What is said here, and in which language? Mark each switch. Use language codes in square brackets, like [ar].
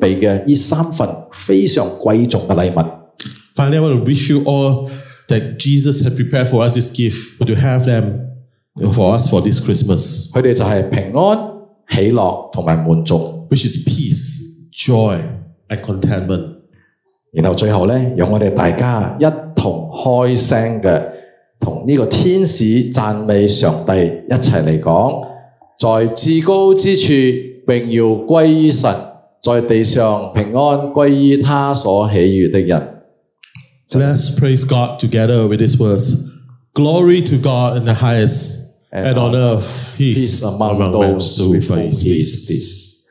[zh] 所以在这里我要祝福大家，在圣诞节，我们大家都可以得到耶稣为我们准备的这三份非常贵重的礼物。 [en] Finally, I want to wish you all that Jesus has prepared for us this gift, to have them for us for this Christmas. [zh] 他们就是平安、喜乐和满足。 [en] Which is peace, joy, and contentment. [zh] 然后最后呢，让我们大家一同开声的，和这个天使赞美上帝一起来讲，在至高之处荣耀归于神，在地上平安归于他所喜悦的人。 [en] Let's praise God together with these words. Glory to God in the highest, and on earth peace among those who find his peace.